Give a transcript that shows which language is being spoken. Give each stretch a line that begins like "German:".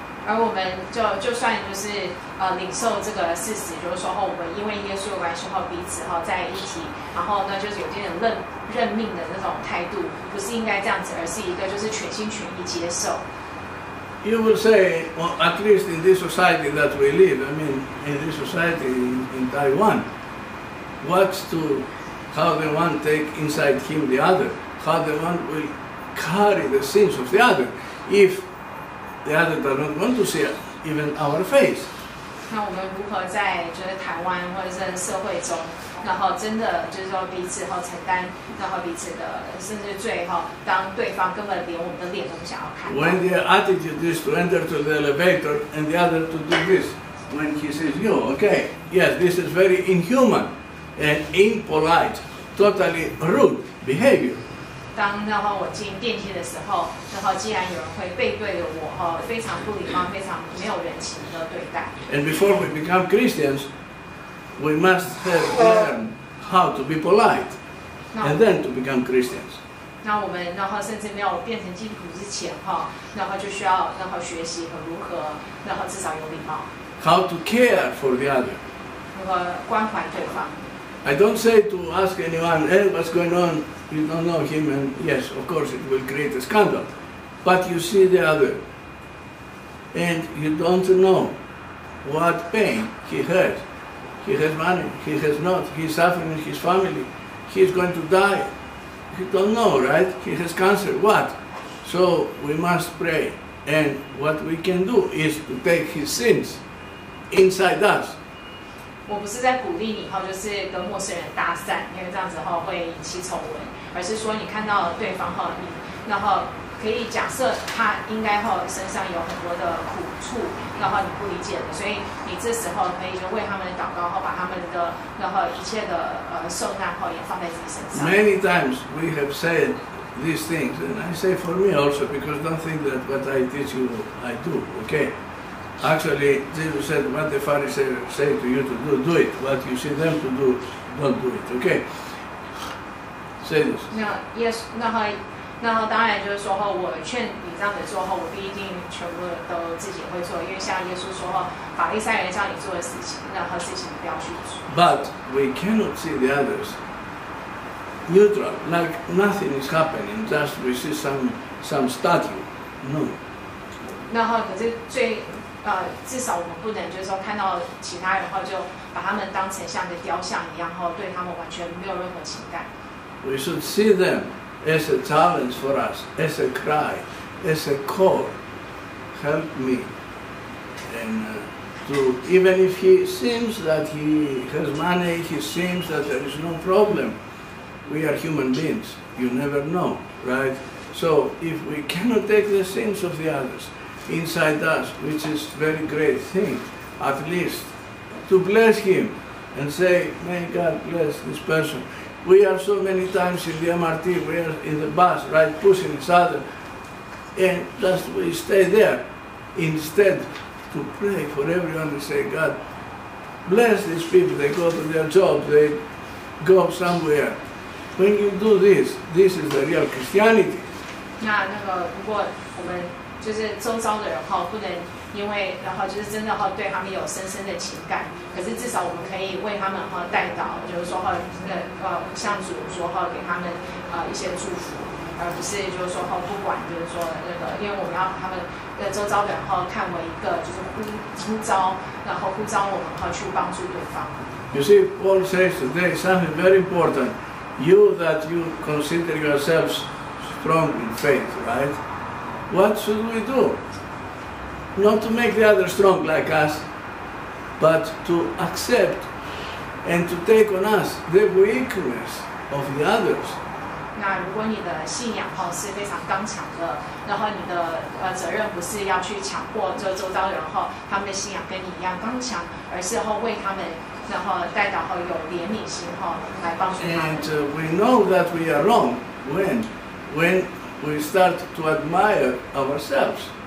Chinese: 而我们就算就是领受这个事实，就是说我们因为耶稣的关系后彼此后在一起，然后呢就是有点认命的那种态度，不是应该这样子，而是一个就是全心全意接受。
English: You will say, well, at least in this society that we live, I mean, in this society in Taiwan, what's to how the one take inside him the other, how the one will carry the sins of the other, if. The other does not want to see even our face.
Chinese: 那我们如何在就是台湾或者是社会中，然后真的就是说彼此后承担，然后彼此的甚至最后，当对方根本连我们的脸都不想要看。
English: When the attitude is to enter to the elevator and the other to do this, when he says you, okay, yes, this is very inhuman and impolite, totally rude behavior.
Chinese: 当然后我进电梯的时候，然后既然有人会背对着我，非常不礼貌，非常没有人情的对待。
English: And before we become Christians, we must have learned how to be polite, and then to become Christians.
Chinese: 那我们然后甚至没有变成基督徒之前，然后就需要然后学习和如何，然后至少有礼貌。
English: How to care for the other?
Chinese: 如何关怀对方？
English: I don't say to ask anyone, hey, what's going on? You don't know him, and yes, of course, it will create a scandal. But you see the other, and you don't know what pain he has. He has money, he has not, he's suffering in his family, he's going to die. You don't know, right? He has cancer, what? So we must pray, and what we can do is to take his sins inside us.
Chinese: 我不是在鼓励你就是跟陌生人搭讪，因为这样子后会引起丑闻，而是说你看到了对方后，你然后可以假设他应该后身上有很多的苦处，然后你不理解的，所以你这时候可以就为他们祷告后，把他们的然后一切的受难后也放在自己身上。
English: Many times we have said these things, and I say for me also because don't think that what I teach you I do, okay? Actually, Jesus said, what the Pharisees say to you to do, do it. What you see them to do, don't do it. Okay? Say this.
Chinese: Yes, 那当然就是说后，我劝你这样子做后，我不一定全部都自己会做，因为像耶稣说后，法利赛人叫你做的事情，任何事情你不要去做。
English: But we cannot see the others neutral, like nothing is happening, just we see some statue. No.
Chinese: 那后可是最至少我们不能就是说看到其他人后就把他们当成像个雕像一样，后对他们完全没有任何情感。
English: We should see them as a challenge for us, as a cry, as a call, help me. And to even if he seems that he has money, he seems that there is no problem. We are human beings. You never know, right? So if we cannot take the sins of the others. Inside us, which is very great thing, at least to bless him and say, may God bless this person. We are so many times in the MRT, we are in the bus, right, pushing each other, and just we stay there instead to pray for everyone and say, God, bless these people. They go to their job, they go somewhere. When you do this, this is the real Christianity.
Chinese: No, 就是周遭的人不能因为然后就是真的对他们有深深的情感，可是至少我们可以为他们代祷，就是说向主说给他们一些祝福，而不是就是说不管就是说那个，因为我们要把他们的周遭的人看为一个就是呼召，然后呼召我们去帮助对方。
English: You see, Paul says today something very important. You that you consider yourselves strong in faith, right?What should we do? not to make the others strong like us, but to accept and to take on us the weakness of the others.
Chinese: 那如果你的信仰哈是非常刚强的，然后你的责任不是要去强迫这周遭人哈他们的信仰跟你一样刚强，而是哈为他们然后代祷哈有怜悯心哈来帮助他们。
English: And we know that we are wrong when we start to admire ourselves.